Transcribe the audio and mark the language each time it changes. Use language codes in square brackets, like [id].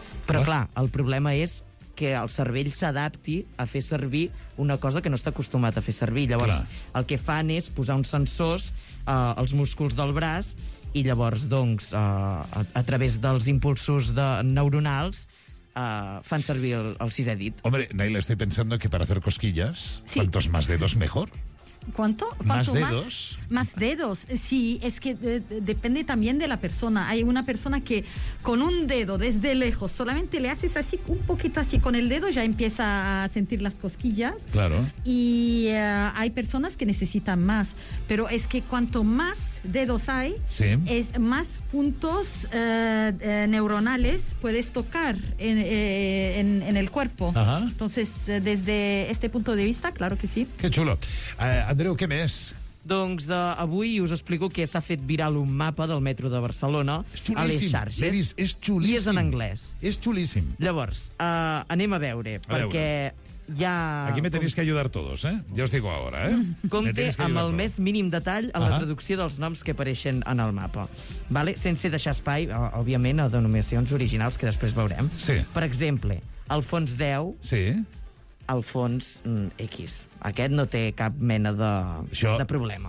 [ca] Però clar, el problema és que el cervell s'adapti a fer servir una cosa que no està acostumat a fer servir. Llavors, clar, el que fan és posar uns sensors als músculs del braç i llavors, doncs, a través dels impulsos neuronals fan servir el sisè dit. [es] Hombre, Naila, estoy pensando que para hacer cosquillas, sí, cuantos más dedos, mejor. ¿Cuánto? ¿Más dedos? Sí, es que depende también de la persona. Hay una persona que con un dedo, desde lejos, solamente le haces así, un poquito así con el dedo, ya empieza a sentir las cosquillas. Claro. Y hay personas que necesitan más. Pero es que cuanto más dedos hay, sí, es más puntos neuronales puedes tocar en el cuerpo. Ajá. Entonces, desde este punto de vista, claro que sí. Qué chulo. [ca] Andreu, què més? Doncs avui us explico que s'ha fet viral un mapa del metro de Barcelona a les xarxes. És xulíssim. I és en anglès. És xulíssim. Llavors, anem a veure, perquè hi ha... [es] Aquí me tenéis que ayudar todos, Ja os digo ahora, [ca] Compte amb el més mínim detall a la traducció dels noms que apareixen en el mapa. Vale? Sense deixar espai, òbviament, a denominacions originals que després veurem. Sí. Per exemple, el fons 10... Sí. Al fons X. Aquest no té cap mena de problema.